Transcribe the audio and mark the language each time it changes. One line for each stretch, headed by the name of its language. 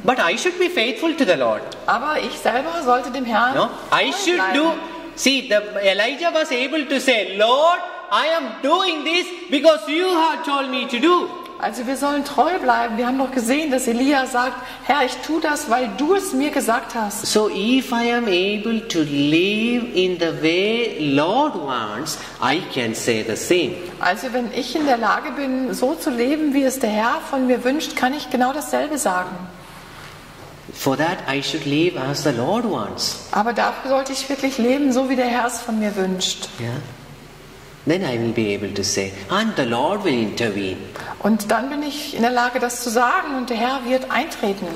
English: But I should be faithful to the Lord.
German: Aber ich selber sollte dem Herrn.
English: No, I should do. See, Elijah was able to say, Lord, I am doing this because you have told me to do.
German: Also wir sollen treu bleiben. Wir haben doch gesehen, dass Elia sagt, Herr, ich tue das, weil du es mir gesagt hast.
English: So if I am able to live in the way Lord wants, I can say the same.
German: Also wenn ich in der Lage bin, so zu leben, wie es der Herr von mir wünscht, kann ich genau dasselbe sagen.
English: For that I should live as the Lord wants.
German: Aber dafür sollte ich wirklich leben, so wie der Herr es von mir wünscht. Ja. Yeah.
English: Then I will be able to say, and the Lord will intervene.
German: Und dann bin ich in der Lage, das zu sagen, und der Herr wird eintreten.